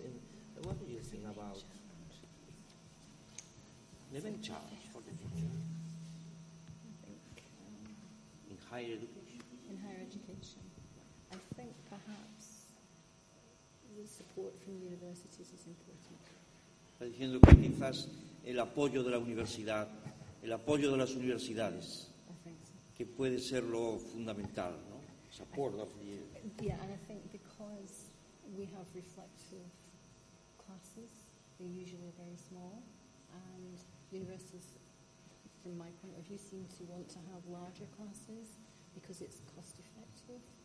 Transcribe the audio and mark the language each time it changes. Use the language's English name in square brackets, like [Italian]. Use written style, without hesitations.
[English] And what do you think about the main challenge for the future? In higher education. I think perhaps the support from universities is important. [Spanish] Está diciendo que quizás el apoyo de las universidades, que puede ser lo fundamental, ¿no? [English] Support of the... Yeah, and I think because we have reflective classes, they usually are very small, and universities, from my point of view, seem to want to have larger classes, because it's cost effective.